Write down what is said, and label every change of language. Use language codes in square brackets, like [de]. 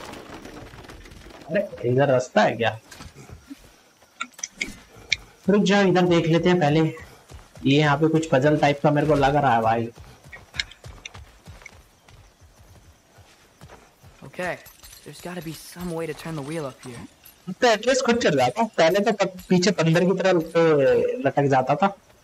[hi] अरे इधर रास्ता है क्या? रुक जाओ इधर देख लेते हैं पहले। ये यहाँ पे कुछ पजल टाइप का मेरे को लग रहा है भाई। Okay, [en] there's got to be some way to turn the wheel up here. [hi] तो एटलीस खुद चल रहा था, पहले तो पीछे बंदर की तरह लटक जाता था।